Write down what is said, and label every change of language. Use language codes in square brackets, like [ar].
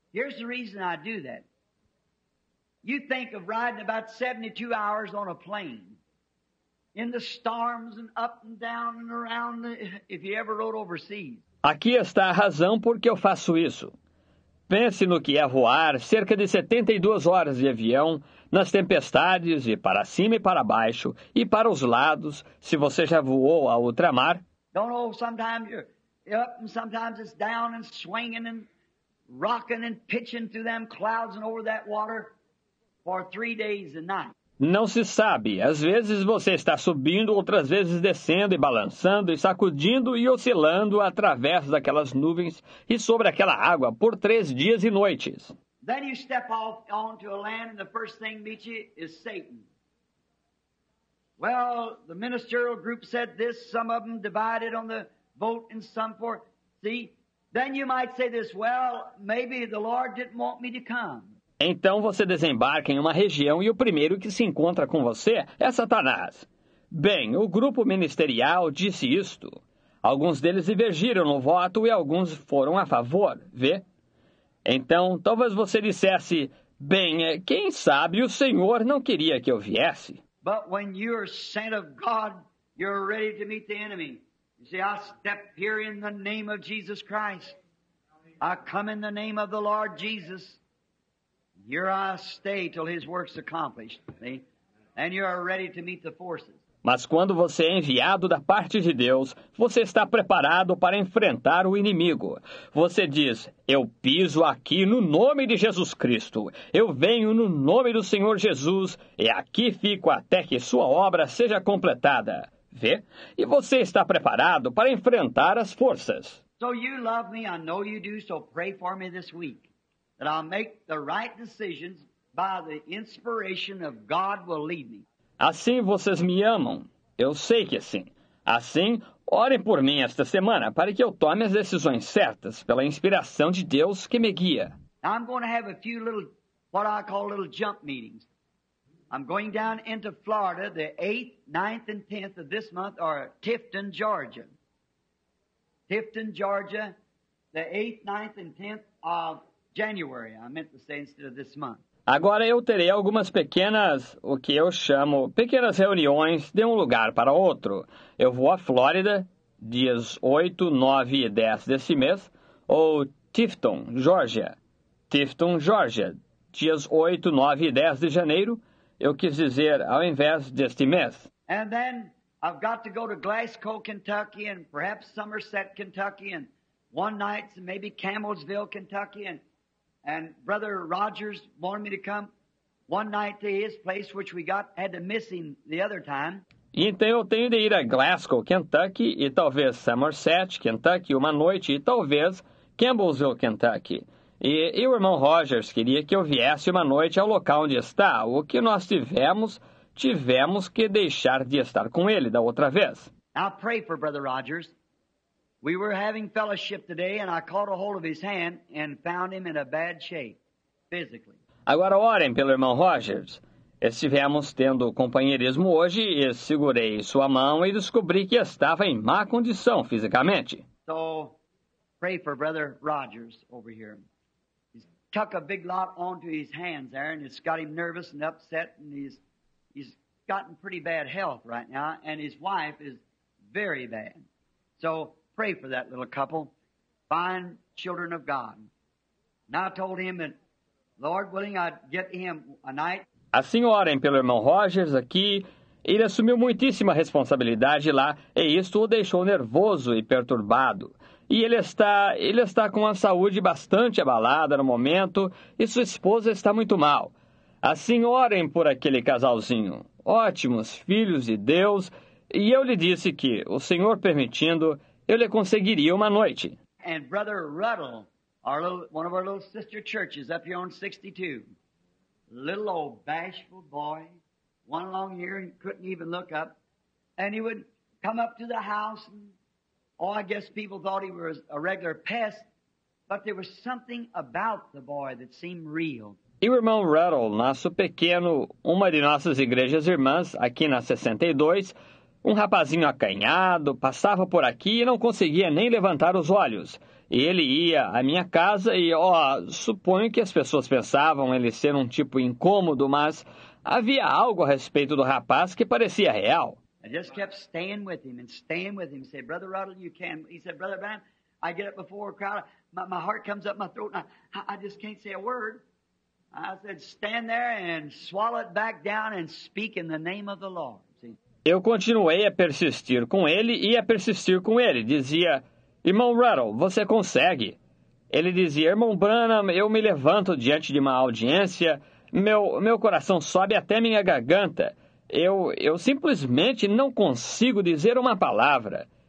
[en] Here's the reason I do that. You think of riding about 72 hours on a plane, in the storms and up and down and around, if you ever rode overseas. [pt] Aqui está a razão porque eu faço isso. Pense no que é voar cerca de 72 horas de avião, nas tempestades e para cima e para baixo, e para os lados, se você já voou a ultramar. [en] Don't know, sometimes you're up and sometimes it's down and swinging and rocking and pitching through them clouds and over that water for 3 days and nights. [pt] Não se sabe. Às vezes você está subindo, outras vezes descendo e balançando e sacudindo e oscilando através daquelas nuvens e sobre aquela água por 3 dias e noites. [en] Then you step off onto a land and the first thing meets you is Satan. Well, the ministerial group said this, some of them divided on the vote and some for, see? Then you might say this, well, maybe the Lord didn't want me to come. [pt] Então você desembarca em uma região e o primeiro que se encontra com você é Satanás. Bem, o grupo ministerial disse isto. Alguns deles divergiram no voto e alguns foram a favor, vê? Então, talvez você dissesse, bem, quem sabe o Senhor não queria que eu viesse. [en] But when you're sent of God, you're ready to meet the enemy. You see, I step here in the name of Jesus Christ. I come in the name of the Lord Jesus. Here I stay till his work's accomplished, see? And you are ready to meet the forces. [pt] Mas quando você é enviado da parte de Deus, você está preparado para enfrentar o inimigo. Você diz, eu piso aqui no nome de Jesus Cristo. Eu venho no nome do Senhor Jesus e aqui fico até que sua obra seja completada. Vê? E você está preparado para enfrentar as forças. [en] So you love me, I know you do, so pray for me this week. That I'll make the right decisions by the inspiration of God will lead me. [pt] Assim vocês me amam. Eu sei que sim. Assim, orem por mim esta semana para que eu tome as decisões certas pela inspiração de Deus que me guia. [en] I'm going to have a few little, what I call little jump meetings. I'm going down into Florida the 8th, 9th, and 10th of this month or Tifton, Georgia. Tifton, Georgia, the 8th, 9th, and 10th of January, I meant to say instead of this month. [pt] Agora eu terei algumas pequenas, o que eu chamo, pequenas reuniões de um lugar para outro. Eu vou à Flórida, dias 8, 9 e 10 desse mês, ou Tifton, Georgia. Tifton, Georgia, dias 8, 9 e 10 de janeiro, eu quis dizer, ao invés deste mês. [en] And then I've got to go to Glasgow, Kentucky, and perhaps Somerset, Kentucky, and one night, maybe Camelsville, Kentucky, and Brother Rogers wanted me to come one night to his place, which we got had to miss him the other time. [pt] Então eu tenho de ir a Glasgow, Kentucky, e talvez Somerset, Kentucky, uma noite, e talvez Campbellsville, Kentucky. E o irmão Rogers queria que eu viesse uma noite ao local onde está, o que nós tivemos que deixar de estar com ele da outra vez. [en] I'll pray for Brother Rogers. We were having fellowship today, and I caught a hold of his hand and found him in a bad shape, physically. [pt] Agora orem pelo irmão Rogers. Estivemos tendo companheirismo hoje, e segurei sua mão e descobri que estava em má condição fisicamente. [en] So, pray for Brother Rogers over here. He's took a big lot onto his hands there, and it's got him nervous and upset, and he's gotten pretty bad health right now, and his wife is very bad. So pray for that little couple, fine children of God. And I told him that, Lord willing, I'd get him a night. [pt] Assim orem pelo irmão Rogers aqui. Ele assumiu muitíssima responsabilidade lá, e isto o deixou nervoso e perturbado. E ele está com a saúde bastante abalada no momento, e sua esposa está muito mal. Assim, orem por aquele casalzinho. Ótimos filhos de Deus. E eu lhe disse que, o Senhor permitindo, eu lhe conseguiria uma noite. E o [en] brother Ruddle, one of our little sister churches up here on 62, little old bashful boy, one long year, he couldn't even look up, and he would come up to the house and, oh, I guess people thought he was a regular pest, but there was something about the boy that seemed real. [pt] E o irmão Ruddle, nosso pequeno, uma de nossas igrejas irmãs, aqui na 62, um rapazinho acanhado, passava por aqui e não conseguia nem levantar os olhos. Ele ia à minha casa e, ó, suponho que as pessoas pensavam ele ser um tipo incômodo, mas havia algo a respeito do rapaz que parecia real. [en] I just kept staying with him and staying with him. Said, Brother Ruddle, you can. He said, Brother Bram, I get up before a crowd. My heart comes up my throat, and I just can't say a word. I said, stand there and swallow it back down and speak in the name of the Lord. See? [pt] Eu continuei a persistir com ele e a persistir com ele. Dizia, irmão Ruddle, você consegue. Ele dizia, irmão Branham, eu me levanto diante de uma audiência, meu coração sobe até minha garganta. Eu simplesmente não consigo dizer uma palavra.